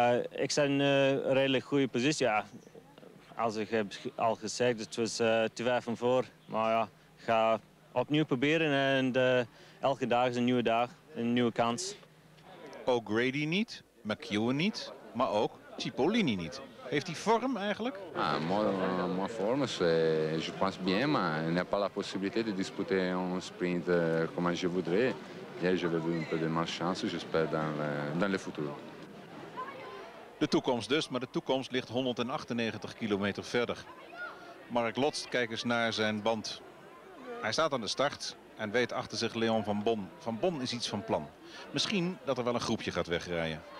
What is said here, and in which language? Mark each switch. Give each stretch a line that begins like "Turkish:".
Dutch: Ik sta in een redelijk goede positie. Ja, als ik heb al gezegd, het was 2-5 voor. Maar ja, ik ga opnieuw proberen en elke dag is een nieuwe dag, een nieuwe kans. O'Grady niet, McEwen niet, maar ook Cipollini niet. Heeft hij vorm eigenlijk? Mijn vorm is,
French: je pense bien,
Dutch: maar
French: il n'y a pas la possibilité de disputer un sprint comme je voudrais.
Dutch: Hier hebben we een beetje
French: malchance, j'espère dans le futur.
Dutch: De toekomst dus, maar de toekomst ligt 198 kilometer verder. Mark Lotz, kijk eens naar zijn band. Hij staat aan de start en weet achter zich Leon van Bon. Van Bon is iets van plan. Misschien dat er wel een groepje gaat wegrijden.